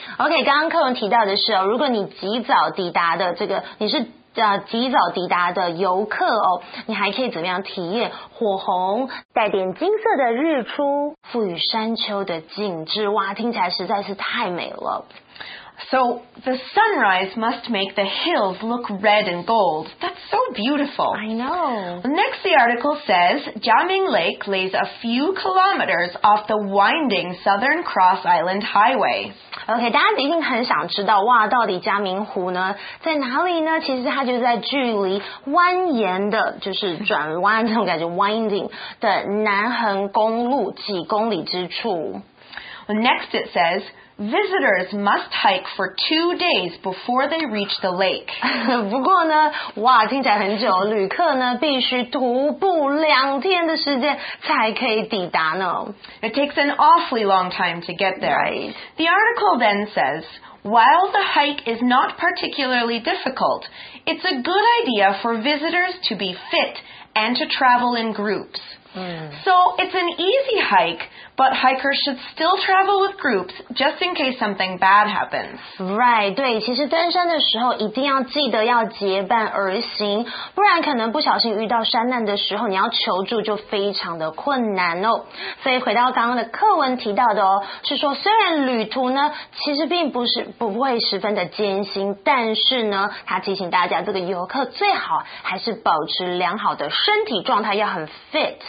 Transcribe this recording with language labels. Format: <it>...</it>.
<zh>OK， 刚刚课文提到的是哦，如果你及早抵达的这个，你是。及早抵达的游客哦，你还可以怎么样体验火红带点金色的日出赋予山丘的景致，哇，听起来实在是太美了。</zh> <en>So the sunrise must make the hills look red and gold. That's so beautiful. I know. Next, the article says Jiaming Lake lays a few kilometers off the winding Southern Cross Island Highway.</en> <zh>OK, 大家一定很想知道，哇，到底嘉明湖呢在哪里呢？其实它就在距离蜿蜒的，就是转弯那种感觉 ，winding 的南横公路几公里之处。</zh> <en>Next, it says. Visitors must hike for 2 days before they reach the lake.</en> <zh>不过呢，哇，听起来很久。旅客呢，必须徒步2天的时间才可以抵达呢。</zh> <en>It takes an awfully long time to get there. Right. The article then says, while the hike is not particularly difficult, it's a good idea for visitors to be fit and to travel in groups. So it's an easy hike, but hikers should still travel with groups just in case something bad happens.</en> <zh>Right, 对，其实登山的时候一定要记得要结伴而行，不然可能不小心遇到山难的时候，你要求助就非常的困难哦。所以回到刚刚的课文提到的哦，是说虽然旅途呢其实并不是不会十分的艰辛，但是呢，他提醒大家这个游客最好还是保持良好的身体状态，要很 fit。</zh>